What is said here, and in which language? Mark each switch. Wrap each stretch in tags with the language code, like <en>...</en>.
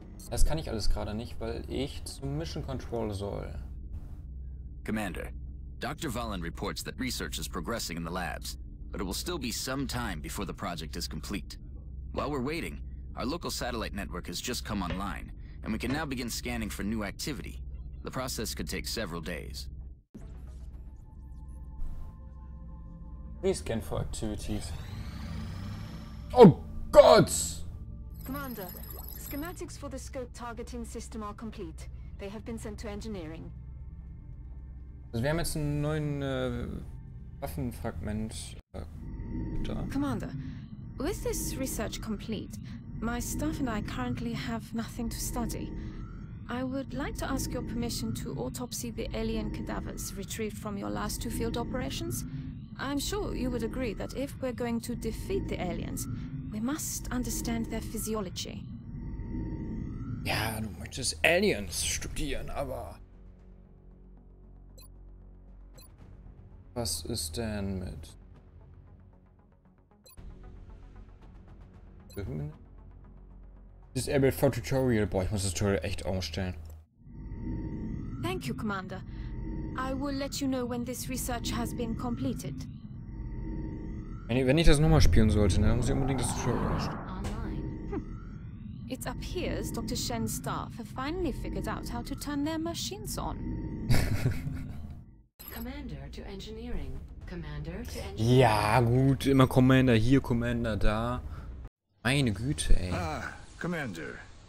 <de>Das kann ich alles gerade nicht, weil ich zum Mission Control soll.</de> <en>Commander, Dr. Valen reports that research is progressing in the labs, but it will still be some time before the project is complete. While we're waiting, our local satellite network has just come online, and we can now begin scanning for new activity. The process could take several days. Please scan for activities. Oh God! Commander, schematics for the scope targeting system are complete. They have been sent to engineering.</en> <de>Also wir haben jetzt einen neuen Waffenfragment.</de> <en>Commander, with this research complete, my staff and I currently have nothing to study. I would like to ask your permission to autopsy the alien cadavers retrieved from your last two field operations. I'm sure you would agree that if we're going to defeat the aliens, we must understand their physiology.</en> <de>Ja, du möchtest Aliens studieren, aber was ist denn mit?</de> <en>Disabled for tutorial.</en> <de>Boah, ich muss das Tutorial echt umstellen.</de> <en>Thank you, Commander. I will let you know when this research has been completed.</en> <de>Wenn ich das nochmal spielen sollte, dann muss ich unbedingt das Tutorial machen.</de> <en>It appears Dr. Shen's staff have finally figured out how to turn their machines on. Commander to engineering. Commander to engineering.</en> <de>Ja, gut, immer Commander hier, Commander da. Meine Güte, ey.</de> <en>Ah, Commander.</en>